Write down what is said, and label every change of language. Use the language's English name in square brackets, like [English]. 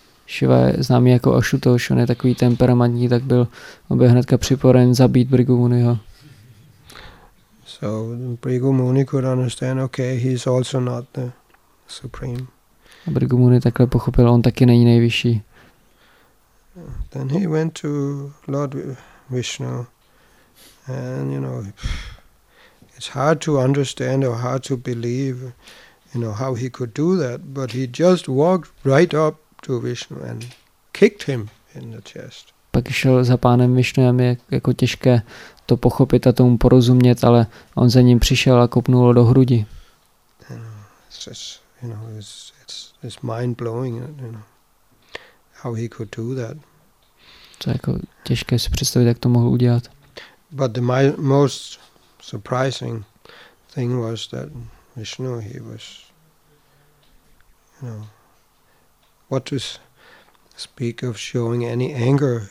[Czech] Shiva je známý jako Ashutosh, on je takový temperamentní, tak byl obě hnedka připraven zabít Bhrigu Muniho. [English] So Bhrigu Muni could understand, okay, he's also not the supreme. [Czech] A Bhrigu Muni takhle pochopil, on taky není nejvyšší. [English] Then he went to Lord Vishnu, and, you know, it's hard to understand or hard to believe, you know, how he could do that, but he just walked right up to Vishnu and kicked him in the chest. [Czech] Pak šel za pánem Vishnu, a mi je jako těžké to pochopit a tomu porozumět, ale on za ním přišel a kopnul do hrudi. [English] It's mind-blowing, you know, how he could do that. [Czech] To je jako těžké si představit, jak to mohl udělat. [English] But the most surprising thing was that Vishnu, he was, you know, what to speak of showing any anger.